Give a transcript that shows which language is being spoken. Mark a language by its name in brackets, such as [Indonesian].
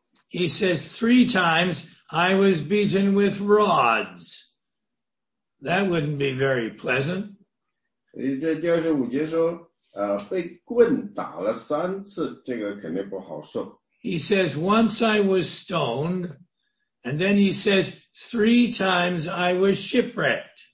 [English] He says, 3 times I was beaten with rods. That wouldn't be very pleasant. [Chinese] 这第25节说，被棍打了3次，这个肯定不好受。 [English] He says, once I was stoned. And then he says, 3 times I was shipwrecked.